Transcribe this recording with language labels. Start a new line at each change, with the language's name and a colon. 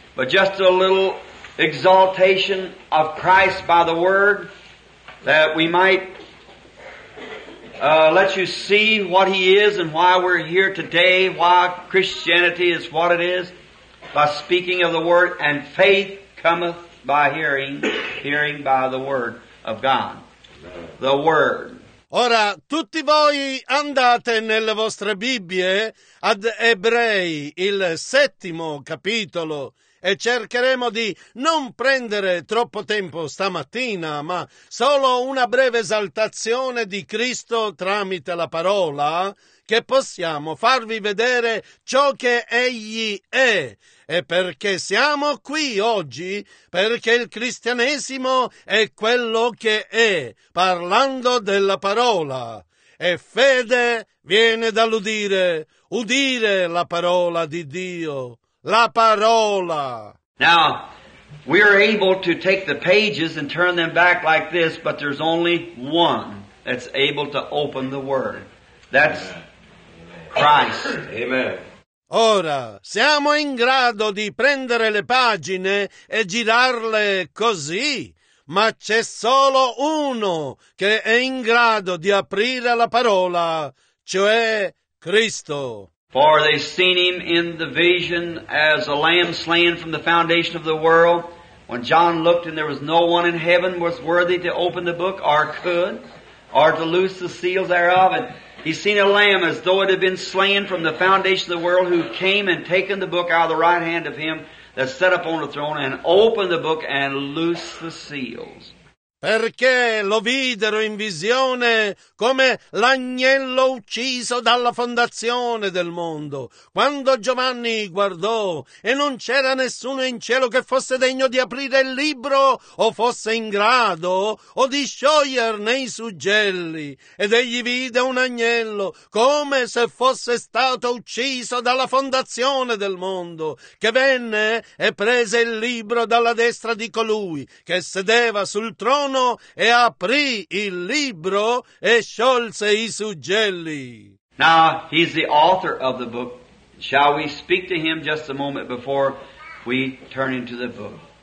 English: But just a little exaltation of Christ by the Word, that we might let you see what He is and why we're here today, why Christianity is what it is, by speaking of the Word, and faith cometh by hearing, hearing by the Word of God. The Word.
Italian: Ora, tutti voi andate nelle vostre Bibbie ad Ebrei, il 7° capitolo. E cercheremo di non prendere troppo tempo stamattina, ma solo una breve esaltazione di Cristo tramite la parola, che possiamo farvi vedere ciò che Egli è. E perché siamo qui oggi? Perché il cristianesimo è quello che è, parlando della parola. E fede viene dall'udire, udire la parola di Dio. La parola.
English: Now, We are able to take the pages and turn them back like this, but there's only one that's able to open the Word. That's Christ. Amen.
Italian: Ora, siamo in grado di prendere le pagine e girarle così, ma c'è solo uno che è in grado di aprire la parola, cioè Cristo.
English: For they've seen him in the vision as a lamb slain from the foundation of the world. When John looked and there was no one in heaven was worthy to open the book or could or to loose the seals thereof. And he's seen a lamb as though it had been slain from the foundation of the world who came and taken the book out of the right hand of him that sat upon the throne and opened the book and loosed the seals.
Italian: Perché lo videro in visione come l'agnello ucciso dalla fondazione del mondo. Quando Giovanni guardò e non c'era nessuno in cielo che fosse degno di aprire il libro o fosse in grado o di scioglierne i suggelli. Ed egli vide un agnello come se fosse stato ucciso dalla fondazione del mondo, che venne e prese il libro dalla destra di colui che sedeva sul trono e aprì il libro e sciolse i suggelli.
English: Now he's the author of the book. Shall we speak to him just a moment before we turn into the book?